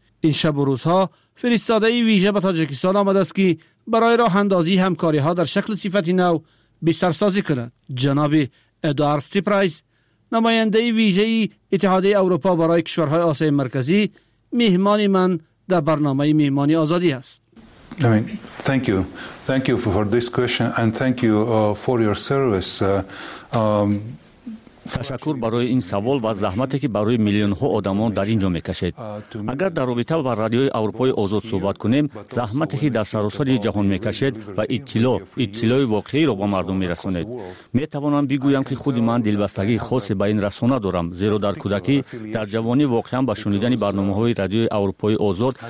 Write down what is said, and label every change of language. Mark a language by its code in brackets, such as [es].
[fa] این شب و روزها فرستاده ویژه به تاجیکستان آمده است که برای راه اندازی همکاری ها در شکل صفت نو بیشتر سازی کند. جناب ادوارد سیپرایس نماینده ویژه اتحادیه اروپا برای کشورهای آسیای مرکزی مهمان من در برنامه مهمانی آزادی است. [en] I mean, thank you for this question, and thank you for your service. [fa] تشکر برای این سوال و زحمتی که برای میلیون ها آدمان در اینجا میکشید. اگر در رابطه با رادیوی اروپای آزاد صحبت کنیم، زحمتی که در سراسر جهان میکشید و اطلاع واقعی را به مردم میرسانید. میتوانم بگویم که خود من دلبستگی خاصی به این رسانه دارم، زیرا در کودکی در جوانی واقعا به شنیدن برنامه‌های رادیوی اروپای آزاد